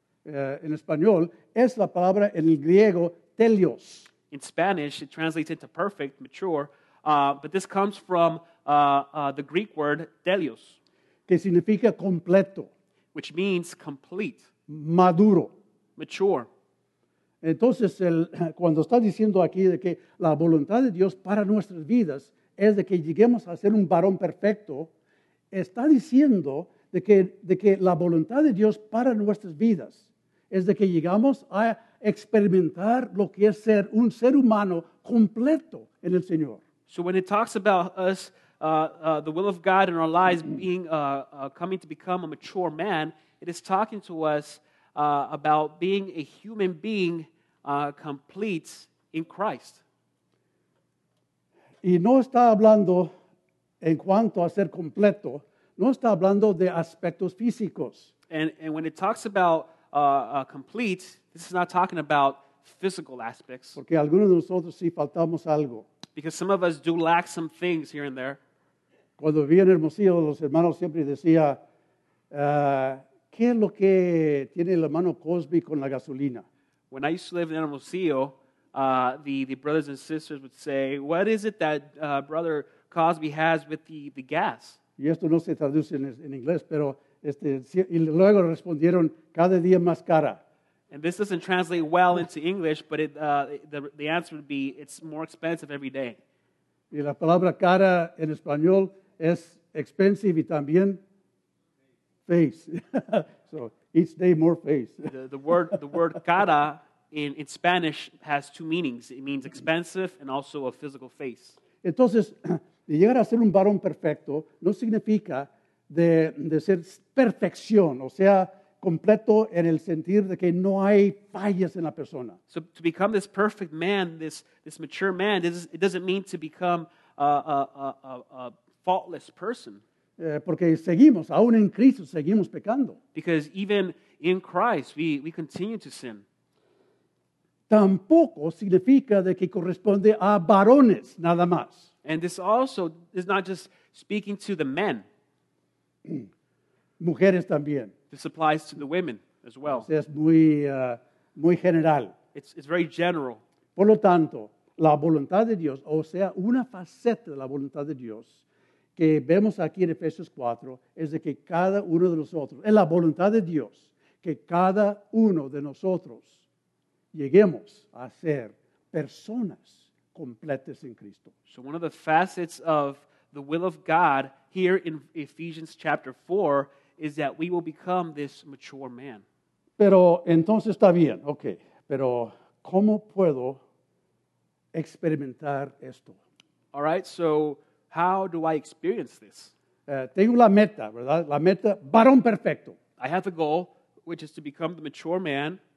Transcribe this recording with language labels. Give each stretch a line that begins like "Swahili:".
Spanish: En español, es la palabra en el griego, telios.
English: In Spanish, it translates into perfect, mature. But this comes from the Greek word, telios.
Spanish: Que significa completo.
English: Which means complete.
Spanish: Maduro.
English: Mature.
Spanish: Entonces, cuando está diciendo aquí de que la voluntad de Dios para nuestras vidas es de que lleguemos a ser un varón perfecto, está diciendo de que la voluntad de Dios para nuestras vidas es de que llegamos a experimentar lo que es ser un ser humano completo en el Señor.
English: So when it talks about us, the will of God in our lives being coming to become a mature man, it is talking to us about being a human being complete in Christ.
Spanish: Y no está hablando en cuanto a ser completo, no está hablando de aspectos físicos.
English: And when it talks about complete, this is not talking about physical aspects.
Spanish: Porque algunos de nosotros sí faltamos algo.
English: Because some of us do lack some things here and there.
Spanish: Cuando vivía en Hermosillo, los hermanos siempre decía, ¿qué es lo que tiene el hermano Cosby con la gasolina?
English: When I used to live in Hermosillo, the brothers and sisters would say, what is it that brother Cosby has with the gas?
Spanish: Y esto no se traduce en inglés, pero y luego respondieron, cada día más cara.
English: And this doesn't translate well into English, but the answer would be, it's more expensive every day.
Spanish: Y la palabra cara en español es expensive y también face.
English: So each day more face. The word cara in Spanish has two meanings. It means expensive and also a physical face.
Spanish: Entonces, llegar a ser un varón perfecto no significa de ser perfección, o sea, completo en el sentir de que no hay fallas en la persona.
English: So to become this perfect man, this mature man, it doesn't mean to become a faultless person.
Spanish: Porque seguimos, aún en Cristo, seguimos pecando.
English: Because even in Christ, we continue to sin.
Spanish: Tampoco significa de que corresponde a varones, nada más.
English: And this also is not just speaking to the men.
Spanish: Mujeres también.
English: This applies to the women as well.
Spanish: Es muy, muy general.
English: It's very general.
Spanish: Por lo tanto, la voluntad de Dios, o sea, una faceta de la voluntad de Dios que vemos aquí en Efesios 4, es de que cada uno de nosotros, es la voluntad de Dios, que cada uno de nosotros lleguemos a ser personas completas en Cristo.
English: So one of the facets of the will of God here in Ephesians chapter 4 is that we will become this mature man.
Spanish: Pero entonces está bien, okay. Pero ¿cómo puedo experimentar esto?
English: All right, so how do I experience this?
Spanish: Tengo la meta, ¿verdad? La meta, varón perfecto.
English: I have a goal, which is to become the mature man.